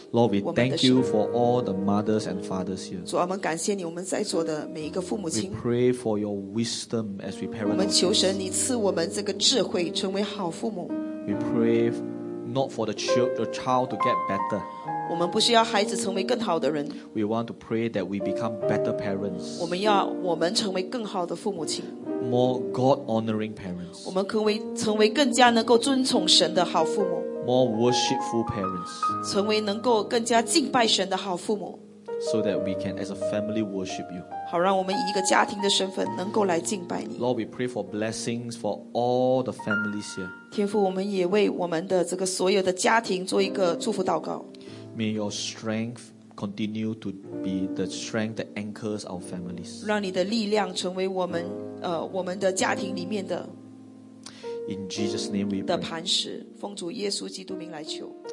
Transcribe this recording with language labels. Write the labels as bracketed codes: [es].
[en] Lord, we thank you for all the mothers and fathers here. [zh] 主，我们感谢你，我们在座的每一个父母亲。 [en] We pray for your wisdom as we parent. [zh] 我们求神你赐我们这个智慧，成为好父母。 [en] We pray not for the child to get better. [zh] 我们不是要孩子成为更好的人。 [en] We want to pray that we become better parents. [zh] 我们要我们成为更好的父母亲。 [en] More God-honoring parents. [zh] 我们可以成为更加能够尊崇神的好父母。 [en] More worshipful parents. [zh] 成为能够更加敬拜神的好父母。 [en] So that we can, as a family, worship you. [zh] 好让我们以一个家庭的身份能够来敬拜你。 [en] Lord, we pray for blessings for all the families here. [zh] 天父，我们也为我们的这个所有的家庭做一个祝福祷告。 [en] May your strength. Continue to be the strength that anchors our families. [zh] 让你的力量成为我们我们的家庭里面的。 [en] In Jesus' name we pray. [zh] 的磐石，奉主耶稣基督名来求。